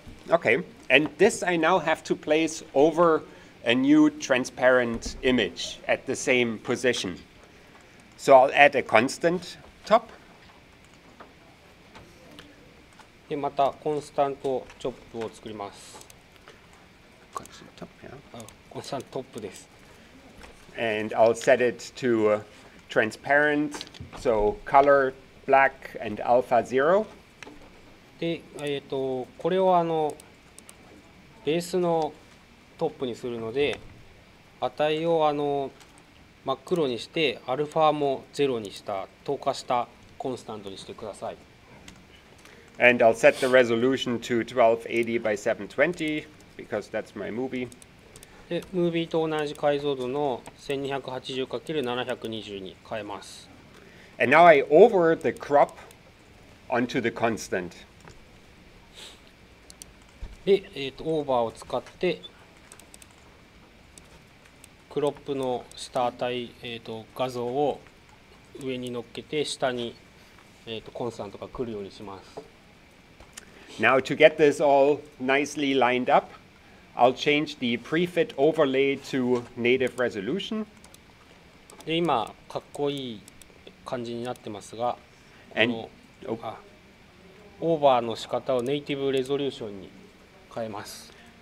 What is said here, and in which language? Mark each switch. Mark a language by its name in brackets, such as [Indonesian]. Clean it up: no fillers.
[English] Okay, and this I now have to place over a new transparent image at the same position. So I'll add a constant top. [Japanese] で、またコンスタントチョップを作ります。コンスタントトップ、yeah. コンスタントトップです。 [English] And I'll set it to transparent, so color black and alpha zero. [Japanese] で、これをあのベースのトップにするので、値をあの真っ黒にして、アルファもゼロにした、透過したコンスタントにしてください。 [English] And I'll set the resolution to 1280 by 720 because that's my movie. [Japanese] で、ムービーと同じ解像度の 1280×720 に変えます。 [English] And now I over the crop onto the constant. [Japanese] で、オーバーを使って、クロップの下値、画像を上に乗っけて、下に、コンスタントが来るようにします。 [English] Now to get this all nicely lined up,I'll change the prefit overlay to native resolution. [Japanese] で、今、かっこいい感じになってますが、オーバーの仕方をネイティブレゾリューションに変えます。